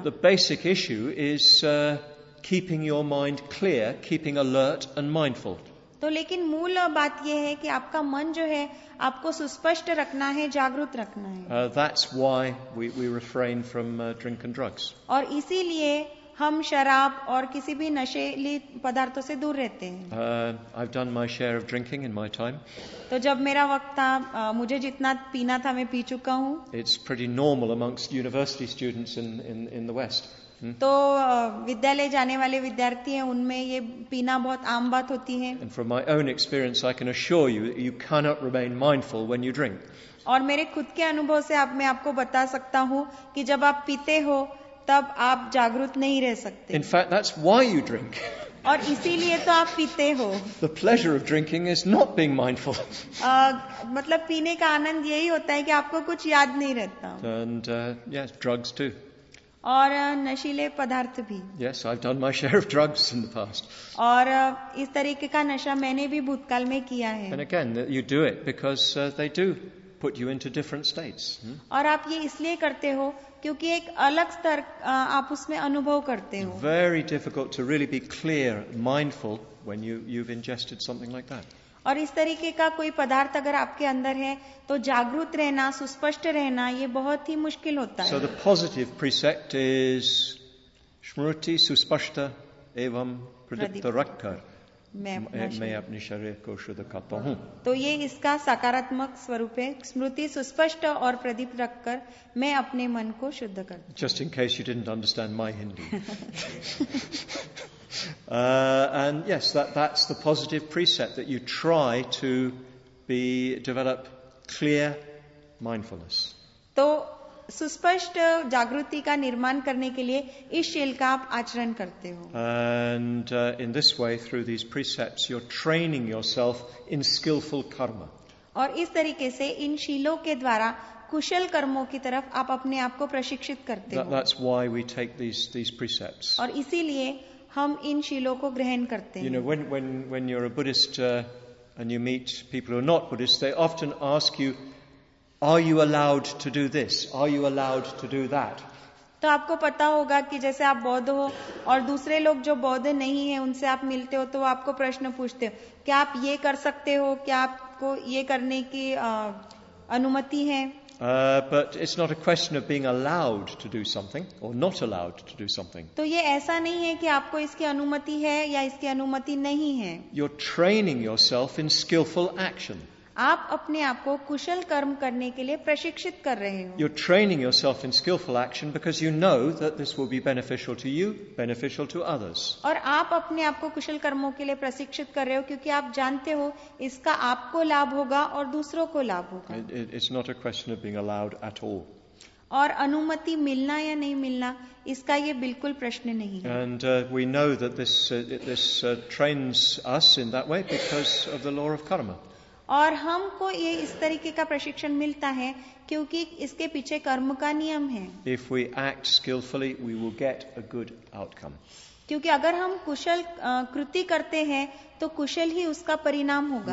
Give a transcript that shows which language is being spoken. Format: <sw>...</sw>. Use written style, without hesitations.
<en>But the basic issue is keeping your mind clear, keeping alert and mindful.</en> <hi>तो लेकिन मूल बात यह है कि आपका मन जो है आपको सुस्पष्ट रखना है, जागरूक रखना है।</hi> <en>That's why we refrain from drink and drugs.</en> <hi>और इसीलिए हम शराब और किसी भी नशीली पदार्थों से दूर रहते हैं।</hi> <en>I've done my share of drinking in my time.</en> <hi>तो जब मेरा वक्त था, मुझे जितना पीना था मैं पी चुका हूँ।</hi> <en>It's pretty normal amongst university students in the West.</en> <hi>तो विद्यालय जाने वाले विद्यार्थी हैं उनमें ये पीना बहुत आम बात होती है।</hi> <en>And from my own experience, I can assure you that you cannot remain mindful when you drink.</en> <hi>और मेरे खुद के अनुभव से मैं आपको बता सकता हूँ कि जब आप पीते हो तब आप जागरूक नहीं रह सकते।</hi> <en>In fact, that's why you drink.</en> <hi>और इसीलिए तो आप पीते हो।</hi> <en>The pleasure of drinking is not being mindful.</en> <hi>मतलब पीने का आनंद यही होता है कि आपको कुछ याद नहीं रहता।</hi> <en>And yes, drugs too.</en> <hi>और नशीले पदार्थ भी।</hi> <en>Yes, I've done my share of drugs in the past.</en> <hi>और इस तरीके का नशा मैंने भी भूतकाल में किया है।</hi> <en>And again, you do it because they do put you into different states.</en> <hi>और आप ये इसलिए करते हो क्योंकि एक अलग स्तर आप उसमें अनुभव करते हो।</hi> <en>Very difficult to really be clear, mindful when you've ingested something like that.</en> <hi>और इस तरीके का कोई पदार्थ अगर आपके अंदर है तो जागरूक रहना, सुस्पष्ट रहना, ये बहुत ही मुश्किल होता है।</hi> <en>So the positive precept is</en> <hi>स्मृति सुस्पष्ट एवं प्रदीप्त रखकर मैं अपने शरीर को शुद्ध करता हूँ। तो ये इसका सकारात्मक स्वरूप है, स्मृति सुस्पष्ट और प्रदीप रखकर मैं अपने मन को शुद्ध करता हूँ।</hi> <en>Just in case you didn't understand my Hindi. And yes, that's the positive precept, that you try to develop clear mindfulness.</en> <hi>तो सुस्पष्ट जागृति का निर्माण करने के लिए इस शील का आप आचरण करते हो।</hi> <en>And in this way, through these precepts, you're training yourself in skillful karma.</en> <hi>और इस तरीके से इन शीलों के द्वारा कुशल कर्मों की तरफ आप अपने आप को प्रशिक्षित करते हो।</hi> <en>That's why we take these precepts.</en> <hi>और इसीलिए हम इन शीलों को ग्रहण करते हैं।</hi> <en>You know, when you're a Buddhist and you meet people who are not Buddhist, they often ask you, "Are you allowed to do this? Are you allowed to do that?"</en> <hi>तो आपको पता होगा कि जैसे आप बौद्ध हो और दूसरे लोग जो बौद्ध नहीं है उनसे आप मिलते हो तो वो आपको प्रश्न पूछते हो, क्या आप ये कर सकते हो, क्या आपको ये करने की अनुमति है?</hi> <en>But it's not a question of being allowed to do something or not allowed to do something.</en> <hi>तो ये ऐसा नहीं है कि आपको इसकी अनुमति है या इसकी अनुमति नहीं है।</hi> <en>You're training yourself in skillful action.</en> <hi>आप अपने आप को कुशल कर्म करने के लिए प्रशिक्षित कर रहे हो।</hi> <en>You're training yourself in skillful action because you know that this will be beneficial to you, beneficial to others.</en> <hi>और आप अपने आप को कुशल कर्मों के लिए प्रशिक्षित कर रहे हो क्योंकि आप जानते हो इसका आपको लाभ होगा और दूसरों को लाभ होगा।</hi> <en>It's not a question of being allowed at all.</en> <hi>और अनुमति मिलना या नहीं मिलना इसका ये बिल्कुल प्रश्न नहीं है।</hi> <en>And we know that this trains us in that way because of the law of karma.</en> <hi>और हमको ये इस तरीके का प्रशिक्षण मिलता है क्योंकि इसके पीछे कर्म का नियम है.</hi> <en>If we act skillfully, we will get a good outcome.</en> <hi>क्योंकि अगर हम कुशल कृति करते हैं तो कुशल ही उसका परिणाम होगा.</hi>